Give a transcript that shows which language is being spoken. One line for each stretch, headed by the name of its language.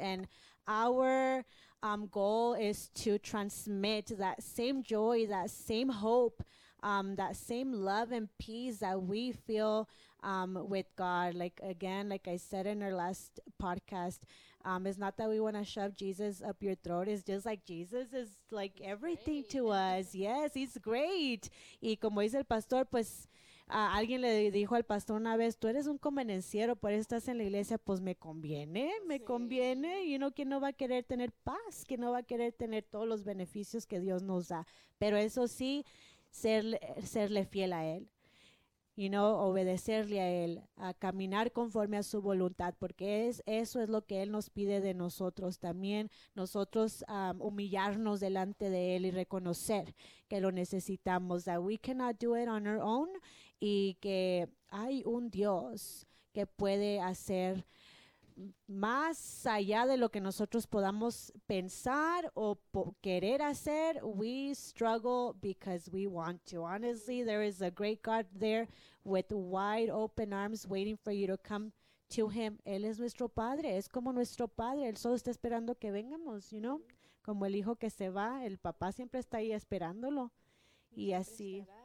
English: And our goal is to transmit that same joy, that same hope, that same love and peace that we feel with God. Like, again, like I said in our last podcast, it's not that we want to shove Jesus up your throat. It's just like Jesus is like everything to us. Yes, he's great.
Spanish: Y como dice el pastor, pues, alguien le dijo al pastor una vez, tú eres un convenenciero, por eso estás en la iglesia, pues me conviene, y uno, ¿quién no va a querer tener paz? ¿Quién no va a querer tener todos los beneficios que Dios nos da? Pero eso sí, serle fiel a Él, y no obedecerle a Él, a caminar conforme a su voluntad, porque eso es lo que Él nos pide de nosotros también, nosotros humillarnos delante de Él y reconocer que lo necesitamos,
English: that we cannot do it on our own,
Spanish: y que hay un Dios que puede hacer más allá de lo que nosotros podamos pensar o querer hacer.
English: We struggle because we want to. Honestly, there is a great God there with wide open arms waiting for you to come to Him.
Spanish: Él es nuestro Padre, es como nuestro Padre. Él solo está esperando que vengamos,
English: you know?
Spanish: Como el hijo que se va, el papá siempre está ahí esperándolo. Y así.